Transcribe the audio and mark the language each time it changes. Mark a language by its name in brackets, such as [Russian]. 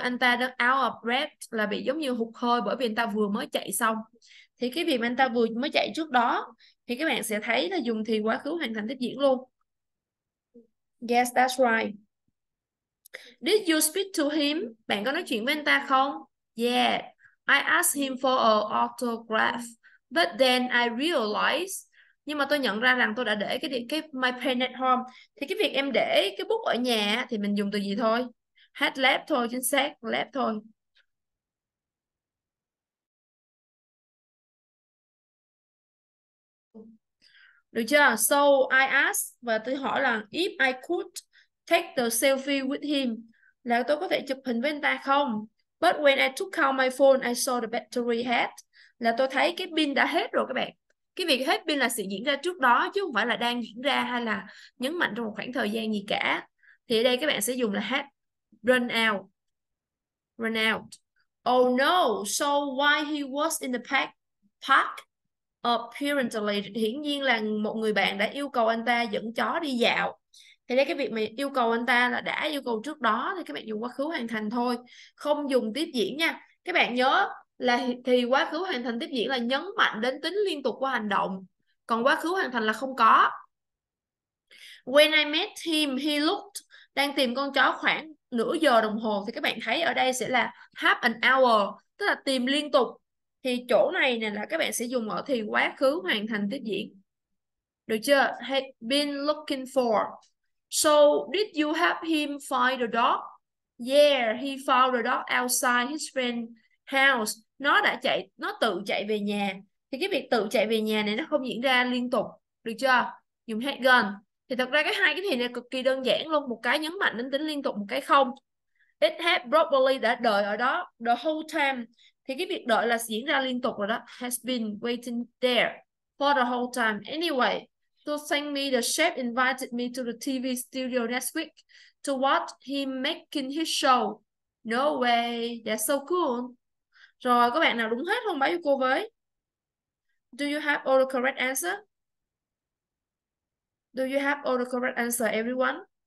[Vietnamese] Anh ta đã [English] out of breath, [Vietnamese] là bị giống như hụt hơi bởi vì anh ta vừa mới chạy xong. Thì cái việc mà anh ta vừa mới chạy trước đó thì các bạn sẽ thấy là dùng thì quá khứ hoàn thành tiếp diễn luôn. [English] Yes, that's right. Did you speak to him? [Vietnamese] Bạn có nói chuyện với anh ta không? [English] Yeah, I asked him for an autograph, but then I realized. [Vietnamese] Nhưng mà tôi nhận ra rằng tôi đã để cái [English] my pen at home. [Vietnamese] Thì cái việc em để cái bút ở nhà thì mình dùng từ gì thôi? Had left thôi, chính xác, left thôi. Được chưa? [English] So I asked, [Vietnamese] và tôi hỏi là [English] if I could take the selfie with him, [Vietnamese] là tôi có thể chụp hình với anh ta không? [English] But when I took out my phone, I saw the battery had. [Vietnamese] Là tôi thấy cái pin đã hết rồi các bạn. Cái việc hết pin là sự diễn ra trước đó chứ không phải là đang diễn ra hay là nhấn mạnh trong một khoảng thời gian gì cả. Thì ở đây các bạn sẽ dùng là had run out. Run out. [English] Oh no, so while he was in the park, apparently, [Vietnamese] hiển nhiên là một người bạn đã yêu cầu anh ta dẫn chó đi dạo. Thì đây cái việc mà yêu cầu anh ta là đã yêu cầu trước đó thì các bạn dùng quá khứ hoàn thành thôi, không dùng tiếp diễn nha. Các bạn nhớ là thì quá khứ hoàn thành tiếp diễn là nhấn mạnh đến tính liên tục của hành động, còn quá khứ hoàn thành là không có. [English] When I met him, he looked, [Vietnamese] đang tìm con chó khoảng nửa giờ đồng hồ. Thì các bạn thấy ở đây sẽ là half an hour, tức là tìm liên tục. Thì chỗ này nè là các bạn sẽ dùng ở thì quá khứ hoàn thành tiếp diễn. Được chưa? [English] Have been looking for. So, did you help him find the dog? Yeah, he found the dog outside his friend's house. [Vietnamese] Nó tự chạy về nhà. Thì cái việc tự chạy về nhà này nó không diễn ra liên tục. Được chưa? Dùng had gone. Thì thật ra cái hai cái thì này cực kỳ đơn giản luôn. Một cái nhấn mạnh đến tính liên tục, một cái không. [English] It had probably [Vietnamese] đã đợi ở đó [English] the whole time. [Vietnamese] Thì cái việc đợi là diễn ra liên tục rồi đó. [English] Has been waiting there for the whole time. Anyway, to thank me, the chef invited me to the TV studio next week to watch him making his show. No way, that's so cool. [Vietnamese] Rồi, có bạn nào đúng hết không? Báo cho cô với. [English] Do you have all the correct answer? Do you have all the correct answer, everyone?